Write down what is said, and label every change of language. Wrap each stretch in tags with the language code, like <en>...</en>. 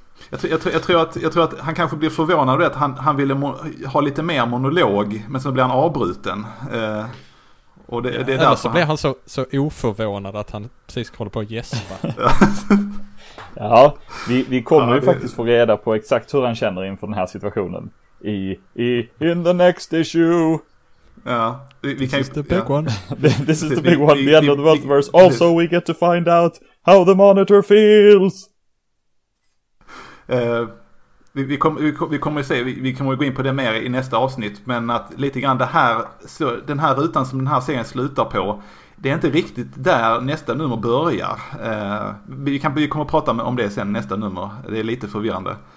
<sv>Jag tror att han kanske blir förvånad att han ville ha lite mer monolog, men så blir han avbruten. Och det, ja, det är eller så blir han så oförvånad att han precis håller på att gäspa. Ja, vi kommer ju faktiskt få reda på exakt hur han känner inför den här situationen.</sv> <en>In the next issue.</en> <sv>Ja, vi kan ju...</sv> <en>This is the big one. This is the big one, the end of the multiverse. Also, we get to find out how the monitor feels.</en> <sv>Vi kommer gå in på det mer i nästa avsnitt, men att lite grann det här, så den här rutan som den här serien slutar på, det är inte riktigt där nästa nummer börjar. Vi kommer att prata om det sen, nästa nummer. Det är lite förvirrande.</sv>